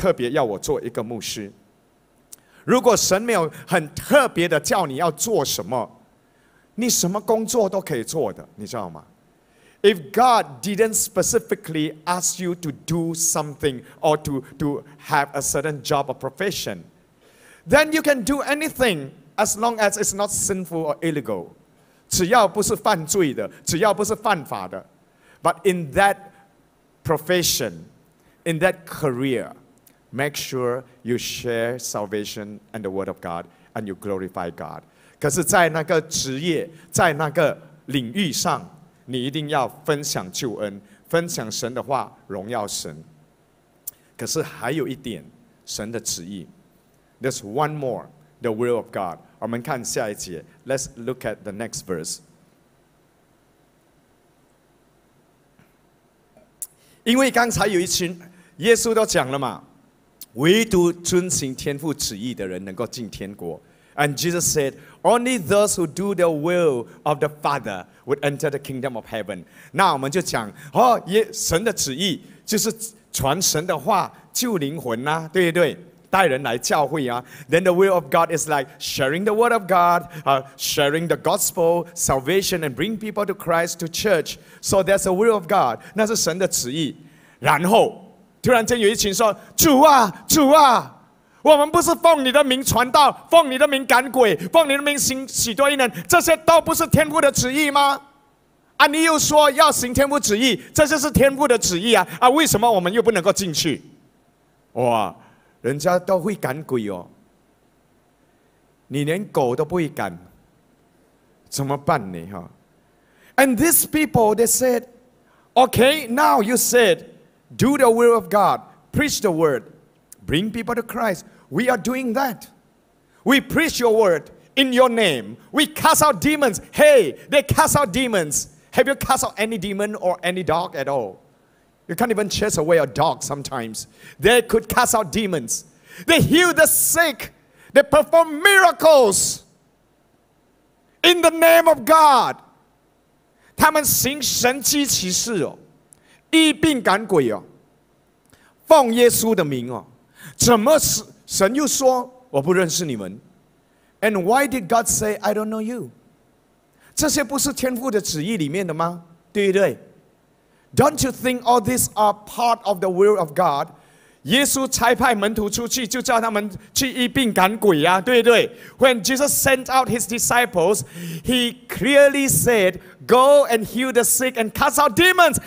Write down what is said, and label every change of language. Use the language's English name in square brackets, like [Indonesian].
[Chinese] 一直到神很清楚地说他要你特别做什么。有一些是这样的。比如我,他特别要我做一个牧师。如果神没有很特别的叫你要做什么,你什么工作都可以做的,你知道吗? [English] If God didn't specifically ask you to do something or to have a certain job or profession, then you can do anything as long as it's not sinful or illegal. [Chinese] 只要不是犯罪的,只要不是犯法的。 [English] But in that profession, in that career, make sure you share salvation and the word of God and you glorify God. [Chinese] 可是在那个职业, 在那个领域上, 你一定要分享救恩, 分享神的话, 荣耀神。可是还有一点, 神的旨意。 [English] There's one more, the will of God. [Chinese] 我们看下一节, [English] let's look at the next verse. [Chinese] 因为刚才有一群, 耶稣都讲了嘛, 唯独遵行天父旨意的人能够进天国, [English] And Jesus said, only those who do the will of the Father would enter the kingdom of heaven. [Chinese] 那我们就讲，哦，耶，神的旨意就是传神的话，救灵魂啊，对不对？带人来教会啊。 [English] Then the will of God is like sharing the word of God, sharing the gospel, salvation, and bring people to Christ, to church. So that's the will of God. [Chinese] 那是神的旨意。然后突然间有一群说，主啊，主啊，我们不是奉你的名传道，奉你的名赶鬼，奉你的名行许多异能，这些都不是天父的旨意吗？啊，你又说要行天父旨意，这就是天父的旨意啊！啊，为什么我们又不能够进去？哇，人家都会赶鬼哦，你连狗都不会赶，怎么办呢？ [English] 哈 ？And these people, they said, "Okay, now you said, do the will of God, preach the word." Bring people to Christ. We are doing that. We preach your word in your name. We cast out demons. Hey, they cast out demons. Have you cast out any demon or any dog at all? You can't even chase away a dog sometimes. They could cast out demons. They heal the sick. They perform miracles in the name of God. [Chinese] 他们行神迹奇事哦，医病赶鬼哦，奉耶稣的名哦。怎么神又说我不认识你们 [English] ？And why did God say I don't know you？ [Chinese] 这些不是天父的旨意里面的吗？对不对 [English] ？Don't you think all these are part of the will of God？ [Chinese] 耶稣差派门徒出去，就叫他们去医病赶鬼呀、啊，对不对 [English] ？When Jesus sent out his disciples， he clearly said， go and heal the sick and cast out demons。